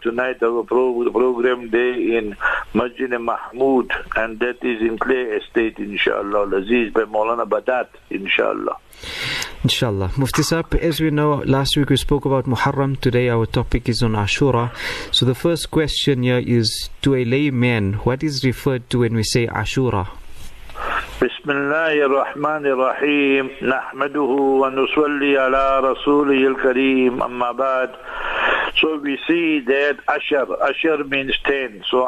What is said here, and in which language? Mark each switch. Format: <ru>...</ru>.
<en>Tonight our program day in Masjid Mahmood, and that is in Clay Estate, inshallah, Aziz by Maulana Badat, inshallah. Inshallah. Mufti Saab, as we know, last week we spoke about Muharram. Today our topic is on Ashura. So the first question here is, to a layman, what is referred to when we say Ashura?</en> <ar>بسم الله الرحمن الرحيم نحمده ونصلي على رسوله الكريم أما بعد.</ar> <en>So we see that Ashur means 10.</en>